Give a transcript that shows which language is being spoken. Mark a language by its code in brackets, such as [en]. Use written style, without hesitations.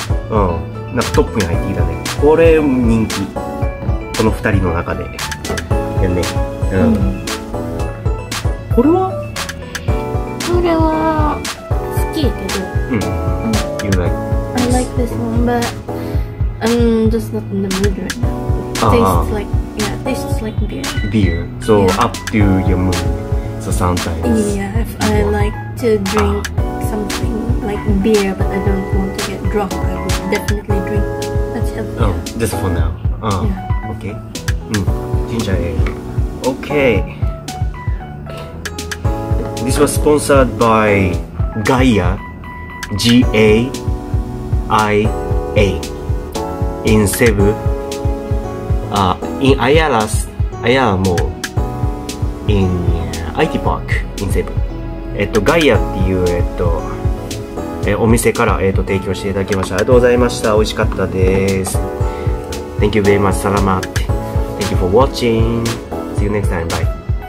[ja] Oh, なんかトップに入っていたね。これ人気、この二人の中で、ね、うん、これはこれは好きけど、 [en] You like this? I like this one, but I'm just not in the mood right now. Tastes like beer. Beer, so up to your mood. So sometimes yeah, if I like to drink something like beer, but I don't want to drink drunk, I would definitely drink that stuff. Oh, just for now. Yeah. Okay. Ginger ale. Okay. This was sponsored by Gaia, G-A-I-A, in Cebu, in Ayala Mall, in IT Park, in Cebu. [ja] Gaia っていう、お店から、提供していただきました。ありがとうございました。美味しかったです。 [en] Thank you very much, Salamat. Thank you for watching. See you next time. Bye.